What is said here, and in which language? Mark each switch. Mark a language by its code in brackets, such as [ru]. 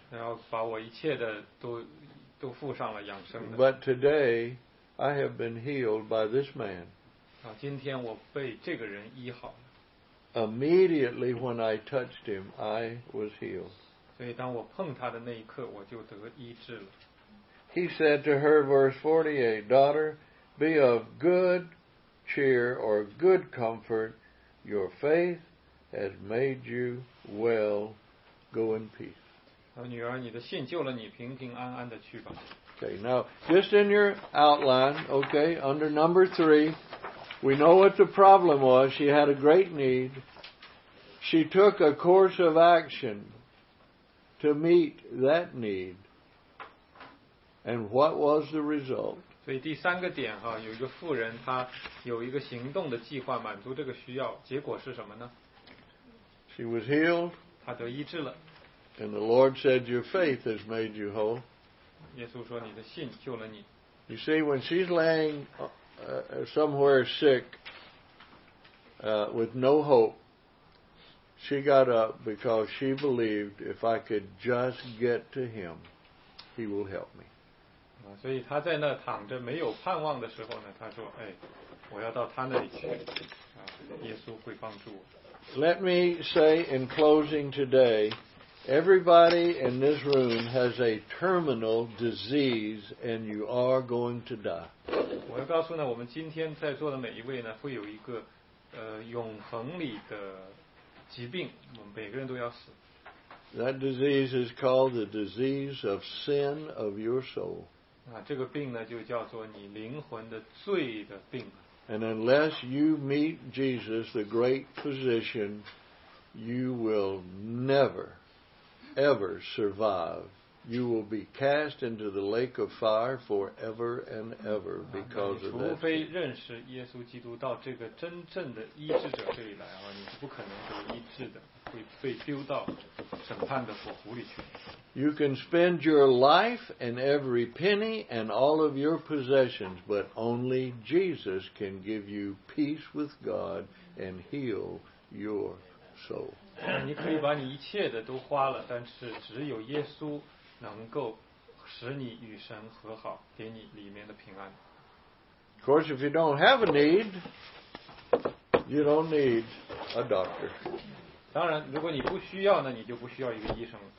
[zh] 然后把我一切的都付上了养生的。 [en] But today, I have been healed by this man. [zh] 今天我被这个人医好。 [en] Immediately when I touched him, I was healed. [zh] 所以当我碰他的那一刻，我就得医治了。 [en] He said to her, verse 48, Daughter, be of good cheer or good comfort. Your faith has made you well. Go in peace. [zh] 女儿，你的信救了你，平平安安的去吧。 [en] Okay, now, just in your outline, okay, under number 3, we know what the problem was. She had a great need. She took a course of action. To meet that need, and what was the result? [zh] 所以第三个点哈，有一个妇人，她有一个行动的计划，满足这个需要。结果是什么呢？ [en] She was healed. [zh] 她得医治了。 [en] And the Lord said, "Your faith has made you whole." [zh] 耶稣说，你的信救了你。 [en] You see, when she's laying somewhere sick, with no hope. She got up because she believed if I could just get to him, he will help me. [zh] 所以她在那躺着没有盼望的时候呢，她说，哎，我要到他那里去，耶稣会帮助我。 [en] Let me say in closing today, everybody in this room has a terminal disease and you are going to die. [zh] 我要告诉呢，我们今天在座的每一位呢，会有一个永恒里的疾病，我们每个人都要死。 [en] That disease is called the disease of sin of your soul. [zh] 这个病呢，就叫做你灵魂的罪的病。 [en] And unless you meet Jesus, the great physician, you will never, ever survive. You will be cast into the lake of fire forever and ever because of that. [zh] 除非认识耶稣基督到这个真正的医治者这里来啊，你是不可能被医治的，会被丢到审判的火湖里去。 [en] You can spend your life and every penny and all of your possessions, but only Jesus can give you peace with God and heal your soul. [zh] 你可以把你一切的都花了，但是只有耶稣能够使你与神和好，给你里面的平安。 [en] Of course, if you don't have a need, you don't need a doctor. [zh] 当然，如果你不需要呢，你就不需要一个医生。